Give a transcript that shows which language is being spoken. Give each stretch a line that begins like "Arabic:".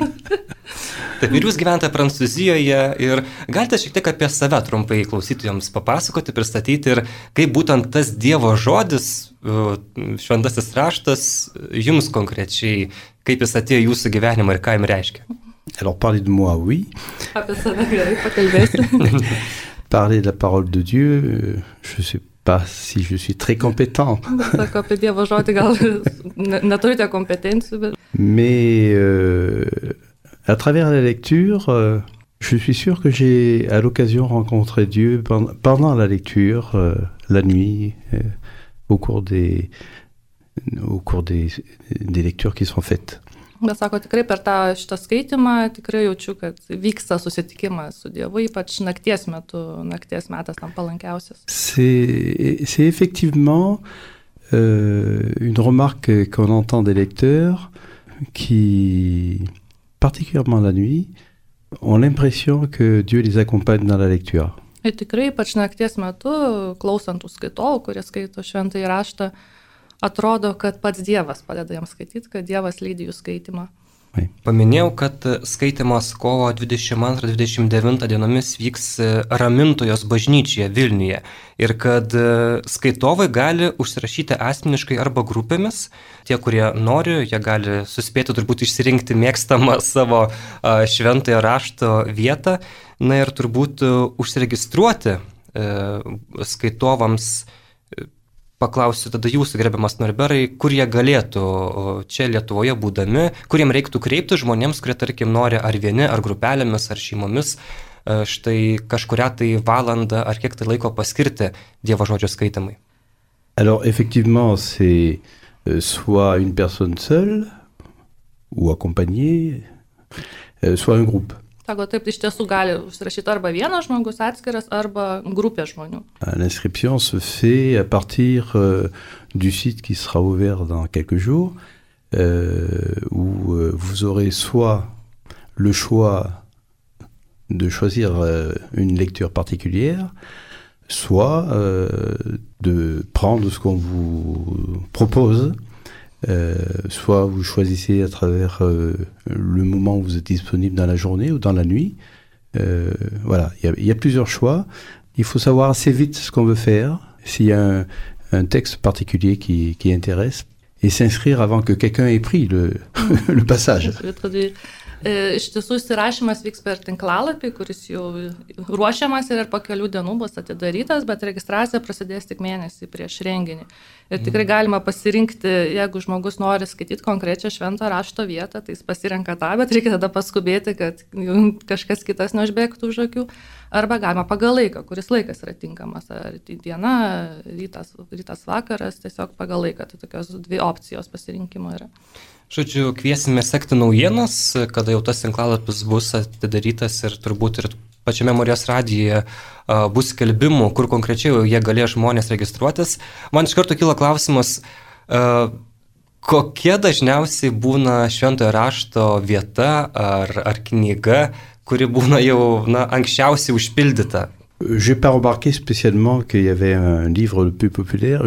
Lithuanian: Taip, ir jūs gyventate Prancūzijoje ir galite šiek tiek apie save trumpai klausytojams papasakoti, pristatyti ir kaip būtent tas Dievo žodis, šventasis raštas, jums konkrečiai, kaip jis atėjo jūsų gyvenimą ir ką jums reiškia?
French: Alors, parlez de moi, oui.
Lithuanian: Apie save gerai pakalbėsite.
French: Parlez de la parole de Dieu, je sais pas si je suis très compétent.
Lithuanian: Sako apie Dievo žodį, gal neturite kompetencijų, bet...
French: À travers la lecture, je suis sûr que j'ai à l'occasion rencontré Dieu pendant la lecture, la nuit, au cours des lectures qui sont faites.
Lithuanian: Bet sako, tikrai per tą šitą skaitimą tikrai jaučiu, kad vyksta susitikimas su Dievu, ypač nakties metu, nakties metas tam palankiausias.
French: C'est effectivement une remarque qu'on entend des lecteurs qui... particulièrement la nuit, ont l'impression que Dieu les accompagne dans la lecture.
Lithuanian: Et tikrai, ypač nakties metu, klausant tų skaitolų, kurie skaito šventąjį raštą, atrodo, kad pats Dievas padeda jam skaityti, kad Dievas lydi jų skaitymą.
French: Oui.
Lithuanian: Paminėjau, kad skaitimas kovo 22-29 dienomis vyks Ramintojos bažnyčioje Vilniuje ir kad skaitovai gali užsirašyti asmeniškai arba grupėmis. Tie, kurie nori, jie gali suspėti turbūt išsirinkti mėgstamą savo šventojo rašto vietą. Na ir turbūt užsiregistruoti skaitovams. Paklausiu tada jūsų, gerbiamas Norberai, kur jie galėtų čia Lietuvoje būdami, kuriem reiktų kreipti žmonėms, kurie tarkim nori ar vieni, ar grupelėmis, ar šeimomis, štai kažkurią tai valandą, ar kiek tai laiko paskirti Dievo žodžio skaitimai.
French: Alors, effectivement, c'est soit une personne seule, ou accompagnée, soit un groupe.
Lithuanian: Sako, taip, iš tiesų gali užsirašyti arba vienas žmogus atskiras, arba grupė žmonių.
French: L'inscription se fait à partir du site qui sera ouvert dans quelques jours, où vous aurez soit le choix de choisir une lecture particulière, soit de prendre ce qu'on vous propose, soit vous choisissez à travers le moment où vous êtes disponible dans la journée ou dans la nuit. Voilà, il y a plusieurs choix. Il faut savoir assez vite ce qu'on veut faire, s'il y a un texte particulier qui intéresse, et s'inscrire avant que quelqu'un ait pris le passage.
Lithuanian: Iš tiesų, įsirašymas vyks per tinklalapį, kuris jau ruošiamas ir po kelių dienų bus atidarytas, bet registracija prasidės tik mėnesį prieš renginį. Ir tikrai galima pasirinkti, jeigu žmogus nori skaityti konkrečią švento rašto vietą, tai jis pasirenka tą, bet reikia tada paskubėti, kad kažkas kitas neužbėgtų už akių. Arba galima pagal laiką, kuris laikas yra tinkamas, ar diena, rytas vakaras, tiesiog pagal laiką, tai tokios dvi opcijos pasirinkimo yra. Žodžiu, kviesime sekti naujienas, kada jau tas tinklalapis bus atidarytas ir turbūt ir pačiame Marijos radijoje bus skelbimų, kur konkrečiai jie galės žmonės registruotis. Man iš karto kilo klausimas, kokie dažniausiai būna šventojo rašto vieta ar knyga, kuri būna jau anksčiausiai užpildyta?
French: J'ai pas remarqué spécialement qu'il y avait un livre le plus populaire.